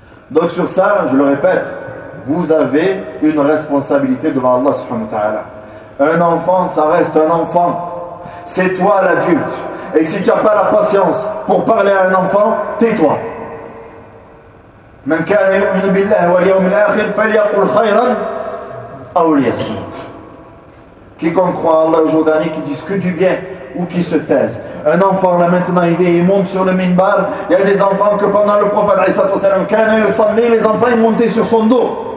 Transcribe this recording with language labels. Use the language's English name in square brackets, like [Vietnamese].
[French] Donc sur ça, je le répète, vous avez une responsabilité devant Allah subhanahu wa ta'ala. Un enfant, ça reste un enfant. C'est toi l'adulte. Et si tu n'as pas la patience pour parler à un enfant, tais-toi. [Arabic] من كان يؤمن بالله واليوم الآخر فليقل خيرا أو ليصمت. [French] Quiconque croit à Allah au jour dernier, qui dise que du bien ou qui se taise. Un enfant là maintenant, il vient, il monte sur le minbar. Il y a des enfants que pendant le prophète sallallahu, les enfants ils montaient sur son dos.